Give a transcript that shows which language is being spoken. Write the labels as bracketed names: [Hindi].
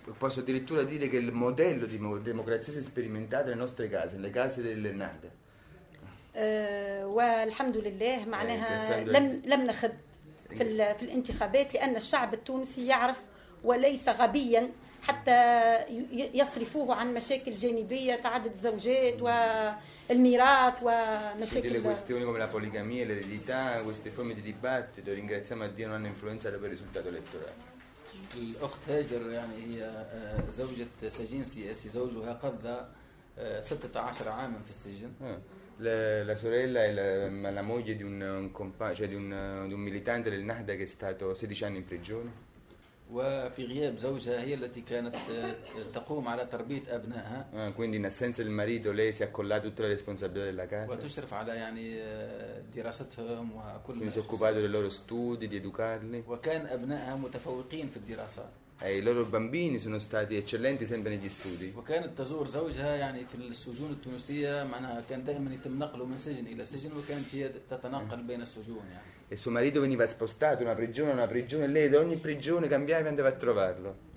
[Italian] posso addirittura dire che il modello di democrazia si è sperimentato nelle nostre case nelle case delle Nahda [Arabic] والحمد لله معناها لم نخب في الانتخابات لان الشعب التونسي يعرف وليس غبيا حتى يصرفوه عن مشاكل جانبية تعدد الزوجات والميراث ومشاكل. [Italian] Le questioni come la poligamia e l'eredità, queste forme di dibattito, ringraziamo a Dio non hanno influenzato per il risultato elettorale. [Arabic] الأخت هاجر يعني هي زوجة سجين سياسي زوجها قضى 16 عاما في السجن. [Italian] La sorella è la moglie di un compagno, cioè di un militante del Nahda che è stato 16 anni in prigione. [Arabic] وفي غياب زوجها هي التي كانت تقوم على تربية أبنائها. [Italian] Quindi in assenza del marito lei si è accollata tutta la responsabilità della casa. [Arabic] وتشرف على يعني دراستهم وكل. [Italian] Quindi si è occupato dei loro studi, di educarli. [Arabic] وكان أبنائها متفوقين في الدراسة. [Italian] I loro bambini sono stati eccellenti sempre negli studi. [Arabic] وكانت تزور زوجها يعني في السجون التونسية معناها كان دائما يتم نقله من سجن إلى سجن وكانت هي تتنقل بين السجون يعني. [Italian] E suo marito veniva spostato da una prigione, lei da ogni prigione cambiava e andava a trovarlo.